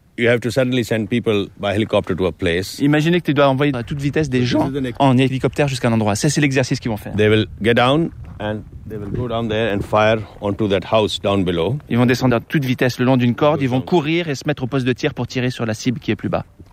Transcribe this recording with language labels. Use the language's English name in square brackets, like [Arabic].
[English] You have to suddenly send people by helicopter to a place. [French] Imaginez que tu dois envoyer à toute vitesse des gens en hélicoptère jusqu'à un endroit. Ça, c'est l'exercice qu'ils vont faire. [English] They will get down and they will go down there and fire onto that house down below. [French] Ils vont descendre à toute vitesse le long d'une corde. Ils vont courir et se mettre au poste de tir pour tirer sur la cible qui est plus bas.